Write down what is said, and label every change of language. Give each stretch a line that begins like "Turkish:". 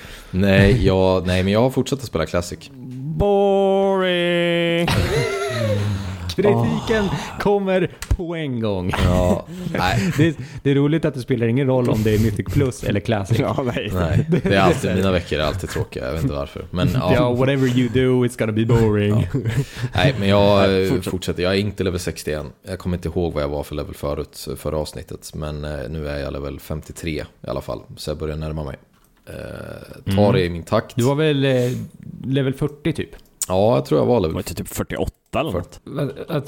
Swedish: Nej, men jag har fortsatt att spela Classic.
English: Boring!
Swedish: Kritiken kommer på en gång. Ja, nej. Det är roligt att det spelar ingen roll om det är Mythic Plus eller Classic. Ja, nej. Nej, det är alltid, mina veckor är alltid tråkiga, jag vet inte varför. Men,
English: ja, whatever you do, it's gonna be boring.
Swedish: Ja. Nej, men jag fortsätter. Jag är inte level 61. Jag kommer inte ihåg vad jag var för level förut, förra avsnittet. Men nu är jag level 53 i alla fall. Så jag börjar närma mig. Ta det i min takt. Du var väl level 40 typ? Ja, jag tror jag var level 40. Typ 48 eller något.